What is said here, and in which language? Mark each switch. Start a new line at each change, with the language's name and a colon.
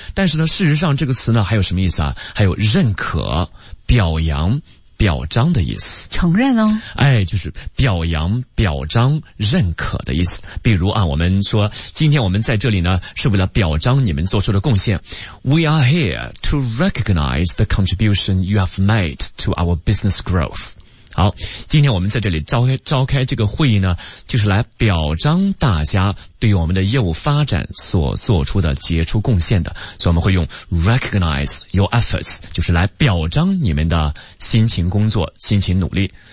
Chinese: 但是呢事实上这个词呢还有什么意思啊？还有认可、表扬、表彰的意思，承认哦，哎，就是表扬、表彰、认可的意思。比如啊，我们说今天我们在这里呢是为了表彰你们做出的贡献。
English: We are here to recognize the contribution you have made to our business growth.
Chinese: 好，今天我们在这里召开这个会议呢，就是来表彰大家对我们的业务发展所做出的杰出贡献的，所以我们会用
English: recognize your efforts,
Chinese: 就是来表彰你们的辛勤工作、辛勤努力。